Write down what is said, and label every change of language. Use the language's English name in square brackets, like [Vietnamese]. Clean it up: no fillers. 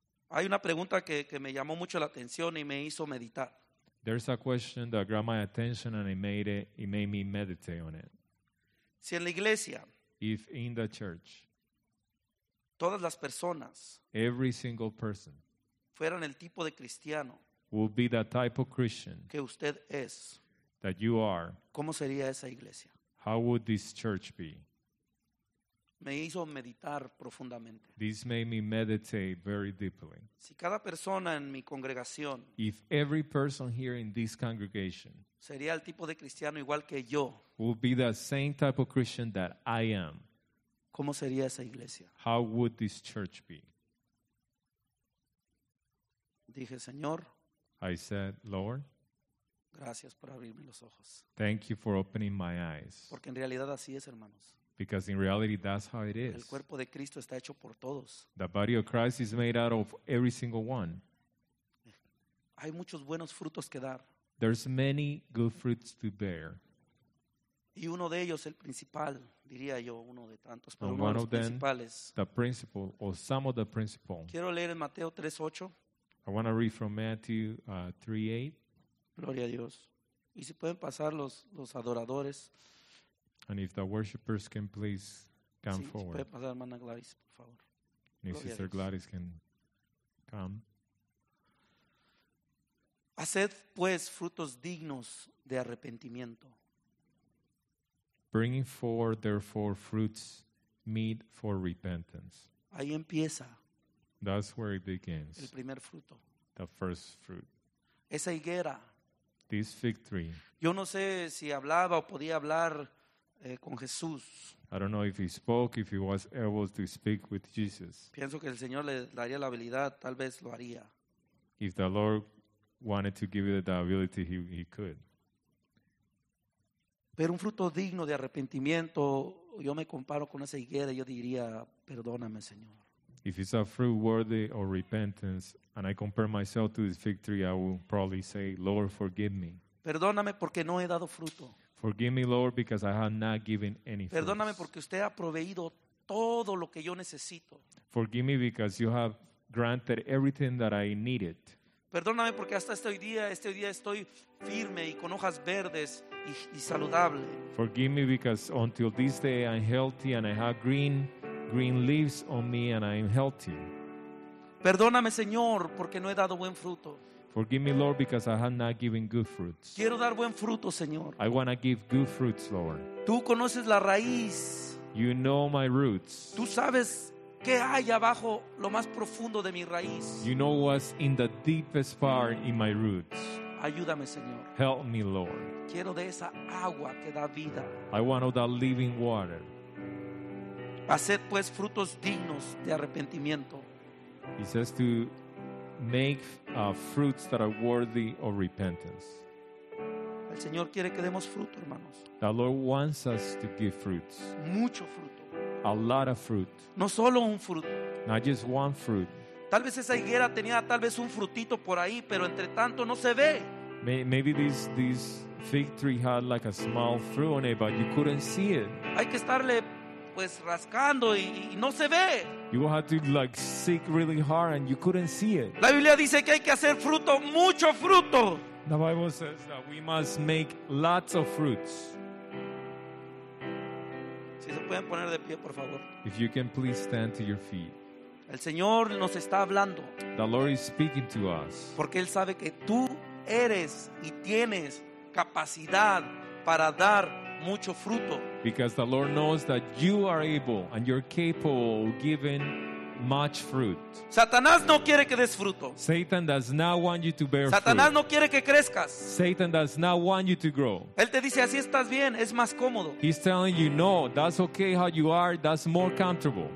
[Spanish] Hay una pregunta que me llamó mucho la atención y me hizo meditar. [English] There's a question that grabbed my attention and it made me meditate on it. [Spanish] Si en la iglesia, [English] if in the church, [Spanish] todas las personas, [English] every single person, [Spanish] fueran el tipo de cristiano, [English] would be the type of Christian [Spanish] que usted es, [English] that you are, [Spanish] ¿cómo sería esa iglesia? [English] How would this church be? [Spanish] Me hizo meditar profundamente. [English] This made me meditate very deeply. [Spanish] Si cada persona en mi congregación, [English] if every person here in this congregation, [Spanish] sería el tipo de cristiano igual que yo, [English] would be the same type of Christian that I am, [Spanish] ¿cómo sería esa iglesia? [English] How would this church be? [Spanish] Dije, Señor, [English] I said, Lord, [Spanish] Gracias por abrirme los ojos. [English] Thank you for opening my eyes. [Spanish] Porque en realidad así es, hermanos. [English] Because in reality, that's how it is. [Spanish] El cuerpo de Cristo está hecho por todos. [English] The body of Christ is made out of every single one. [Spanish] Hay muchos buenos frutos que dar. [English] There's many good fruits to bear. [Spanish] Y uno de ellos, el principal, diría yo, uno de tantos, pero uno de los principales. [English] The principal, or some of the principal. [Spanish] Quiero leer en Mateo 3:8. [English] I want to read from Matthew 3:8. [Spanish] Gloria a Dios. Y si pueden pasar los adoradores. [English] And if the worshippers can please come [Spanish] sí, [English] forward. [Spanish] Si puede pasar hermana Gladys, por favor. [English] And if Gloria Sister Gladys can come. [Spanish] Haced pues frutos dignos de arrepentimiento. [English] Bringing forth therefore fruits meet for repentance. [Spanish] Ahí empieza. [English] That's where it begins. [Spanish] El primer fruto. [English] The first fruit. [Spanish] Esa higuera. [English] This fig tree. [Spanish] Yo no sé si hablaba o podía hablar con Jesús. [English] I don't know if he spoke, if he was able to speak with Jesus. [Spanish] Pienso que el Señor le daría la habilidad, tal vez lo haría. [English] If the Lord wanted to give you the ability, he could. [Spanish] Pero un fruto digno de arrepentimiento, yo me comparo con esa higuera, yo diría, perdóname, Señor. [English] If it's a fruit worthy of repentance, and I compare myself to this fig tree, I will probably say, Lord, forgive me. [Spanish] Perdóname porque no he dado fruto. [English] Forgive me, Lord, because I have not given any fruit. [Spanish] Perdóname porque usted ha proveído todo lo que yo necesito. [English] Forgive me because you have granted everything that I needed. [Spanish] Perdóname porque hasta este día estoy firme y con hojas verdes y saludable. [English] Forgive me because until this day I'm healthy and I have green leaves on me and I'm healthy. [Spanish] Perdóname, Señor, porque no he dado buen fruto. [English] Forgive me, Lord, because I have not given good fruits. [Spanish] Quiero dar buen fruto, Señor. [English] I want to give good fruits, Lord. [Spanish] Tú conoces la raíz. [English] You know my roots. [Spanish] Tú sabes qué hay abajo, lo más profundo de mi raíz. [English] You know what's in the deepest part in my roots. [Spanish] Ayúdame, Señor. [English] Help me, Lord. [Spanish] Quiero de esa agua que da vida. [English] I want of that living water. [Spanish] Haced pues frutos dignos de arrepentimiento. [English] He says to make fruits that are worthy of repentance. [Spanish] El Señor quiere que demos fruto, hermanos. [English] The Lord wants us to give fruits. [Spanish] Mucho fruto. [English] A lot of fruit. [Spanish] No solo un fruto. [English] Not just one fruit. [Spanish] Tal vez esa higuera tenía tal vez un frutito por ahí, pero entre tanto no se ve. [English] Maybe this fig tree had like a small fruit on it, but you couldn't see it. [Spanish] Hay que estarle pues rascando y no se ve. [English] You had to like seek really hard and you couldn't see it. [Spanish] La Biblia dice que hay que hacer fruto, mucho fruto. [English] The Bible says that we must make lots of fruits. [Spanish] Si se pueden poner de pie, por favor. [English] If you can please stand to your feet. [Spanish] El Señor nos está hablando. [English] The Lord is speaking to us. [Spanish] Porque Él sabe que tú eres y tienes capacidad para dar mucho fruto. [English] Because the Lord knows that you are able and you're capable of giving much fruit. [Spanish] Satanás no quiere que des fruto. [English] Satan does not want you to bear fruit. [Spanish] Satanás no quiere que crezcas. [English] Satan does not want you to grow. [Spanish] Él te dice, así estás bien, es más cómodo. [English] He's telling you, no, that's okay how you are, that's more comfortable.